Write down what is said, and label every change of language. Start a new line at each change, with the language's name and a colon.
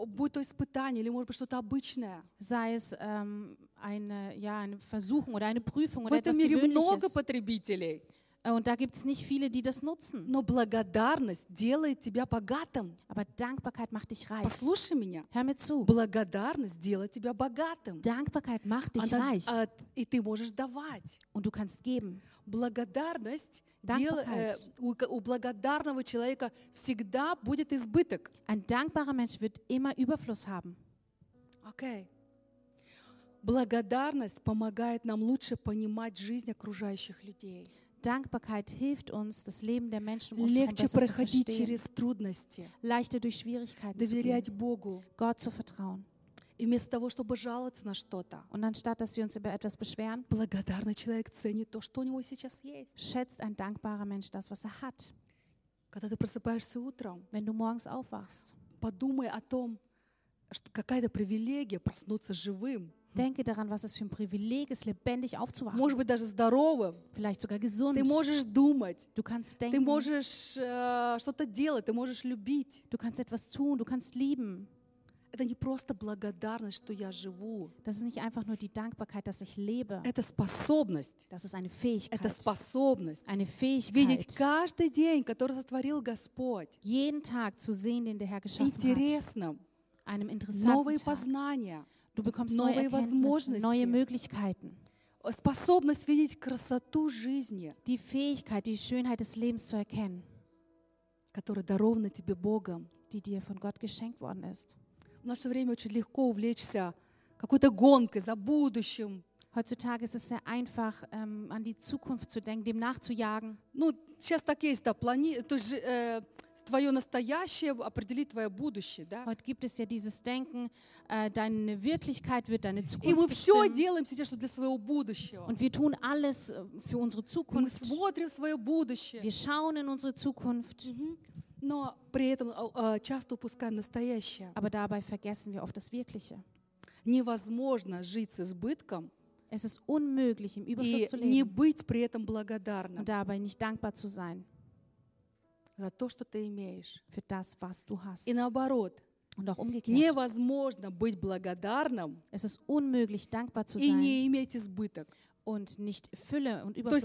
Russian: Будь то испытание или, может быть, что-то обычное.
German: Sei es eine Versuchung oder eine Prüfung oder etwas Gewöhnliches.
Russian: В этом мире много потребителей.
German: Und da gibt's nicht viele, die das nutzen.
Russian: Но благодарность делает тебя богатым.
German: Aber Dankbarkeit macht dich reich.
Russian: Послушай меня.
German: Hör mir zu.
Russian: Благодарность делает тебя богатым.
German: Dankbarkeit macht dich reich.
Russian: И ты можешь давать.
German: Und du kannst geben.
Russian: Благодарность у благодарного человека всегда будет избыток.
German: Ein dankbarer Mensch wird immer Überfluss haben.
English: Okay.
Russian: Благодарность помогает нам лучше понимать жизнь окружающих людей.
German: Dankbarkeit hilft uns, das Leben der Menschen um uns
Russian: легче
German: besser
Russian: проходить
German: zu verstehen,
Russian: через трудности,
German: leichter durch Schwierigkeiten zu gehen,
Russian: Богу,
German: Gott zu vertrauen.
Russian: И вместо того, чтобы жаловаться на что-то,
German: und anstatt, dass wir uns über etwas beschweren,
Russian: благодарный человек ценит то, что у него сейчас есть.
German: Schätzt ein dankbarer Mensch das, was er hat.
Russian: Когда ты просыпаешься утром,
German: wenn du morgens aufwachst,
Russian: подумай о том, что какая-то привилегия проснуться живым.
German: Denke daran, was es für ein Privileg ist, lebendig aufzuwachen.
Russian: Может быть, даже здоровым.
German: Vielleicht sogar gesund.
Russian: Ты можешь думать.
German: Du kannst denken.
Russian: Ты можешь что-то делать. Ты можешь любить.
German: Du kannst etwas tun. Du kannst lieben.
Russian: Это не просто благодарность, что я живу.
German: Das ist nicht einfach nur die Dankbarkeit, dass ich lebe.
Russian: Это способность.
German: Das ist eine Fähigkeit.
Russian: Это способность.
German: Eine Fähigkeit.
Russian: Видеть каждый день, который сотворил Господь.
German: Jeden Tag zu sehen, den der Herr geschaffen hat.
Russian: Интересным.
German: Einem interessanten Tag.
Russian: Новые познания.
German: Du bekommst neue Erkenntnisse, neue Möglichkeiten.
Russian: Способность видеть красоту жизни.
German: Die Fähigkeit, die Schönheit des Lebens zu erkennen.
Russian: Которая дарована тебе Богом.
German: Die dir von Gott geschenkt worden ist.
Russian: В наше время очень легко увлечься какой-то гонкой за будущим.
German: Heutzutage ist es sehr einfach, an die Zukunft zu denken, dem nachzujagen.
Russian: Ну, сейчас так есть, да, твое настоящее определит твое будущее, да?
German: Heute gibt es ja dieses Denken, deine Wirklichkeit wird deine Zukunft.
Russian: И мы все делаем сейчас для своего будущего.
German: Und wir tun alles für unsere Zukunft.
Russian: Мы смотрим в свое будущее.
German: Wir schauen in unsere Zukunft.
Russian: Но при этом часто упускаем настоящее.
German: Aber dabei vergessen wir oft das Wirkliche.
Russian: Невозможно жить с избытком.
German: Es ist unmöglich, im Überfluss zu leben.
Russian: И не быть при этом благодарным.
German: Und dabei nicht dankbar zu sein.
Russian: За то, что ты имеешь.
German: Für das, was du hast.
Russian: И наоборот.
German: Und auch umgekehrt.
Russian: Невозможно быть благодарным.
German: Es ist unmöglich, dankbar zu sein.
Russian: И не иметь избыток.
German: Und nicht Fülle und Überfluss